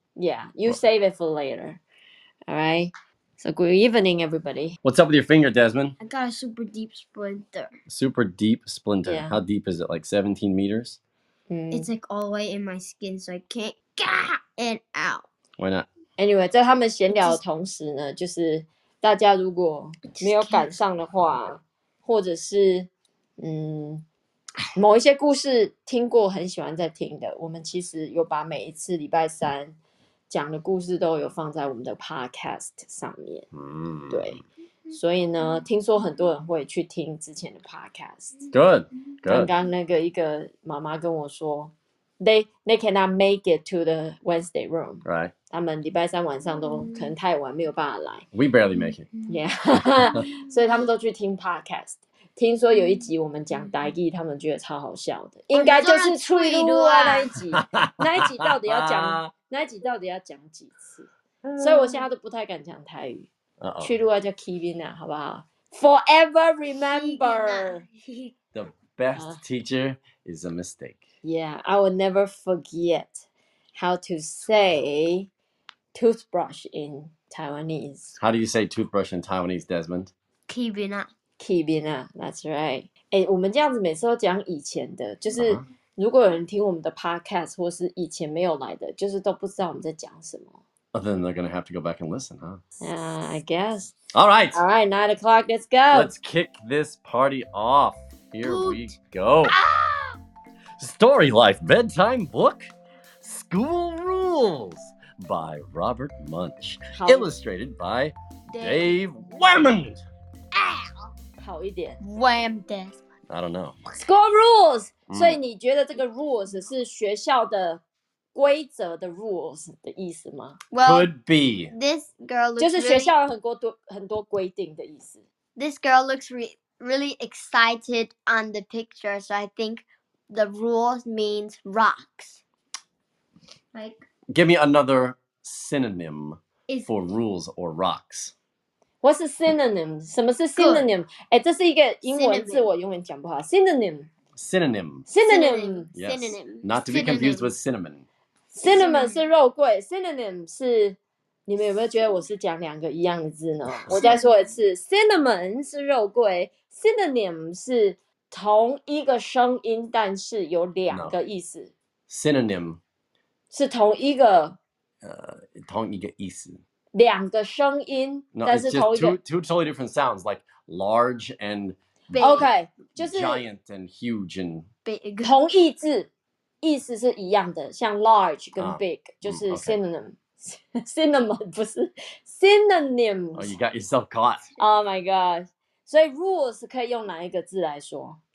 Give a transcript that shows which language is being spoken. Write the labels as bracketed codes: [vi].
[en] Yeah, save it for later. All right. So good evening, everybody. What's up with your finger, Desmond? I got a super deep splinter. Super deep splinter. Yeah. How deep is it? Like 17 meters? Mm. It's like all the way in my skin, so I can't get it out. Why not? [zh] Anyway, 在他们闲聊的同时呢，就是。大家如果没有赶上的话，或者是某一些故事听过很喜欢在听的，我们其实有把每一次礼拜三讲的故事都有放在我们的 podcast 上面。对，所以呢，听说很多人会去听之前的 podcast。 [en] Good, good. [zh] 刚刚那个一个妈妈跟我说 ， [en] they cannot make it to the Wednesday room. Right. [zh] 他们礼拜三晚上都可能太晚没有办法来。 [en] We barely make it. Yeah. [zh] 所以他们都去听 podcast. 听说有一集我们讲台语，他们觉得超好笑的。应该就是脆弱啊那一集。那一集到底要讲那一集到底要讲几次。所以我现在都不太敢讲台语。脆弱叫 Kevin 啊好不好 ? [en] Forever remember. The best teacher is a mistake. Yeah, I will never forget. How to say toothbrush in Taiwanese. How do you say toothbrush in Taiwanese, Desmond? Kibina. Kibina, that's right. [zh] 我们这样子每次都讲以前的，就是如果有人听我们的 podcast 或是以前没有来的，就是都不知道我们在讲什么。 [en] Oh, then they're going to have to go back and listen, huh? I guess. All right. All right, 9 o'clock, let's go. Let's kick this party off. Here we go. Story Life Bedtime Book. School Rules by Robert Munch. Illustrated by Dave Wammond. [zh] Ow! 好一点。 [en] Wham Desmond. I don't know. School Rules!、Mm. [zh] 所以你觉得这个 rules 是学校的规则的 rules 的意思吗 [en] well, Could be. This girl looks [zh] 就是学校有很 多, 很多规定的意思。 [en] This girl looks really excited on the picture, so I think the rules means rocks. Like, Give me another synonym for rules or rocks. What's a synonym? [zh] 什么是 synonym? 这是一个英文字我永远讲不好。 [en] Synonym. Synonym. Synonym. Yes. Synonym. Not to be confused with cinnamon. [zh] Cinnamon 是肉桂。Synonym 是你们有没有觉得我是讲两个一样的字呢？我再说一次。 Cinnamon 是肉桂。Synonym 是同一个声音，但是有两个意思。 [en] Synonym. [zh] 是同一个，同一个意思。两个声音， [en] no, [zh] 但是同一个。 [en] Two totally different sounds, like large and big. [zh] Okay, 就是 [en] giant and huge and big. [zh] 同义字，意思是一样的，像 large 跟 big 就是 synonym.、 [en] Okay. [zh] Cinnamon 不是 synonym. [en] Oh, you got yourself caught. Oh my god! [zh] 所以 rules 可以用哪一个字来说？